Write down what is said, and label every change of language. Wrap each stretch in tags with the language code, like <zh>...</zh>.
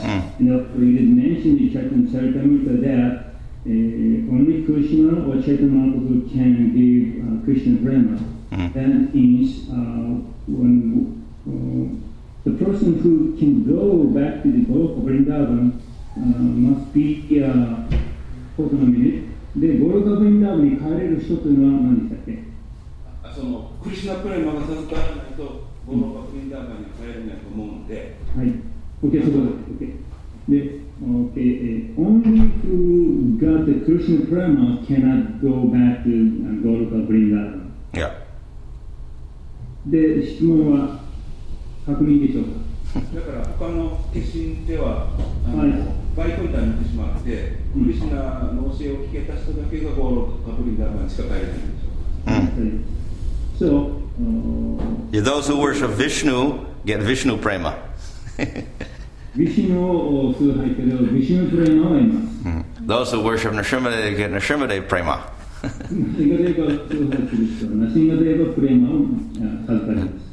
<en>And we did mention in Chaitanya Charitamrita that only Krishna or Chaitanya Mahaprabhu can give Krishna prema. That means when the person who can go back to the Goloka Vrindavan must be hold on a minute.</en> <ja>The Goloka Vrindavan に帰れる人というのは何でしたっけ？そのクリシナプレマが授からないとゴロカ・ブリンダーバンに帰れないと思うので。はい。OK、そこで。OK。</ja> <en>で、Okay, only who got the Krishna prema cannot go back to Goloka Vrindavan. Yeah.</en> <ja>で、質問は確認でしょうか。だから他の化身ではバイコンタになってしまって、クリシナの教えを聞けた人だけがゴロカブリンダーバンしか帰れないんでしょうか。</ja> <en>So, yeah, those who worship Vishnu get Vishnu prema. Those who worship Narsimhadeva get Narsimhadeva prema.</en>